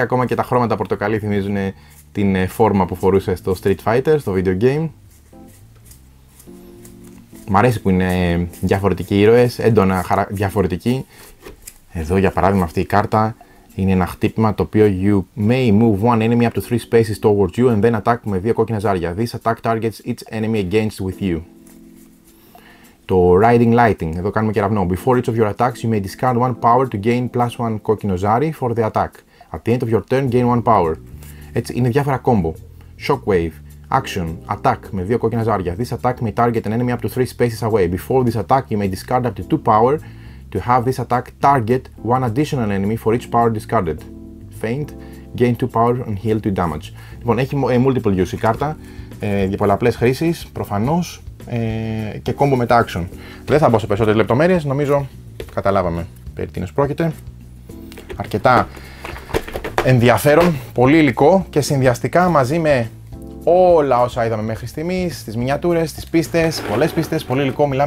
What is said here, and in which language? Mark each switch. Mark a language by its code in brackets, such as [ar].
[el] Ακόμα και τα χρώματα πορτοκαλί θυμίζουν την φόρμα που φορούσε στο Street Fighter, στο video game. Μ' αρέσει που είναι διαφορετικοί ήρωες, έντονα διαφορετικοί. Εδώ για παράδειγμα αυτή η κάρτα είναι ένα χτύπημα το οποίο [en] you may move one enemy up to 3 spaces towards you [el] and then attack με 2 κόκκινα ζάρια. [en] This attack targets each enemy against with you. [el] Το Riding Lighting, εδώ κάνουμε κεραυνό. [en] Before each of your attacks, you may discard one power to gain plus one [el] κόκκινο ζάρι [en] for the attack. At the end of your turn, gain one power. [el] Έτσι, είναι διάφορα combo. Shockwave, action, attack με 2 κόκκινα ζάρια. [en] This attack may target an enemy up to 3 spaces away. Before this attack, you may discard up to 2 power to have this attack target one additional enemy for each power discarded. Feint, gain 2 power and heal 2 damage. [el] Λοιπόν, έχει multiple use η κάρτα για πολλαπλές χρήσεις, προφανώς. Και κόμπο με τα action. Δεν θα μπω σε περισσότερες λεπτομέρειες, νομίζω καταλάβαμε περί τίνος πρόκειται. Αρκετά ενδιαφέρον, πολύ υλικό και συνδυαστικά μαζί με όλα όσα είδαμε μέχρι στιγμής, τις μινιατούρες, τις πίστες, πολλές πίστες, πολύ υλικό.